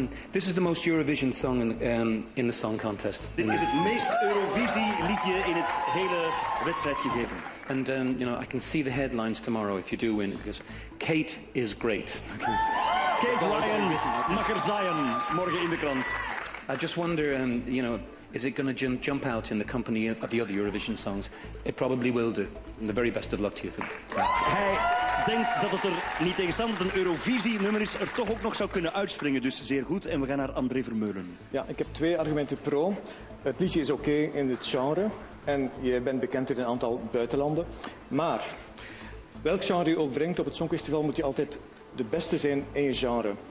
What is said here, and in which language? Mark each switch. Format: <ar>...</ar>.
<en>This is the most Eurovision song in the song contest.</en> <nl>Dit is het meest Eurovisie liedje in het hele wedstrijd gegeven.</nl> <en>And you know, I can see the headlines tomorrow if you do win, because Kate is great. Okay.</en> <nl>Kate Ryan mag er zijn morgen in de krant.</nl> <en>I just wonder, you know, is it going to jump out in the company of the other Eurovision songs? It probably will do. And the very best of luck to you. Hey.</en> <nl>Ik denk dat het er niet tegenstaande een Eurovisie-nummer is, er toch ook nog zou kunnen uitspringen. Dus zeer goed. En we gaan naar André Vermeulen. Ja, ik heb twee argumenten pro. Het liedje is oké in het genre. En je bent bekend in een aantal buitenlanden. Maar welk genre je ook brengt op het Songfestival, moet je altijd de beste zijn in je genre.</nl>